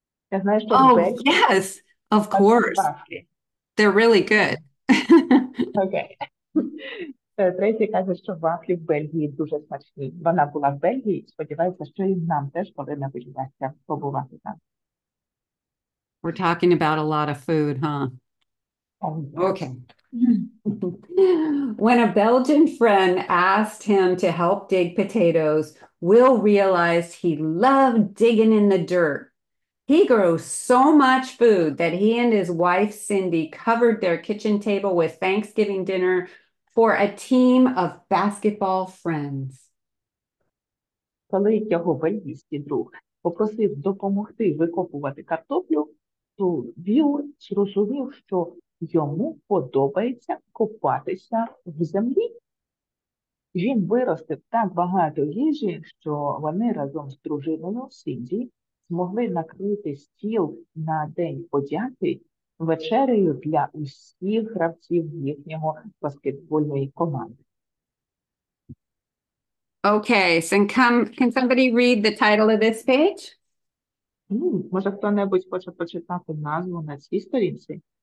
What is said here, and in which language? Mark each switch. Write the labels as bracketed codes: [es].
[en] Oh, yes, of course. They're really good. Okay. [uk] Тресі каже, що вафлі в Бельгії дуже смачні. Вона була в Бельгії, сподівається, що і нам теж коли-небудь вдасться побувати там. [en] We're talking about a lot of food, huh? Okay. When a Belgian friend asked him to help dig potatoes, Will realized he loved digging in the dirt. He grows so much food that he and his wife, Cindy, covered their kitchen table with Thanksgiving dinner for a team of basketball friends. [uk] Коли його бельгійський друг попросив допомогти викопувати картоплю, то Вілл зрозумів, що йому подобається копатися в землі. Він виростив так багато їжі, що вони разом з дружиною Сінді змогли накрити стіл на День подяки вечерею для усіх гравців їхнього баскетбольної команди. [en] Okay, so can somebody read the title of this page? [uk] Може хто-небудь хоче прочитати назву на цій сторінці?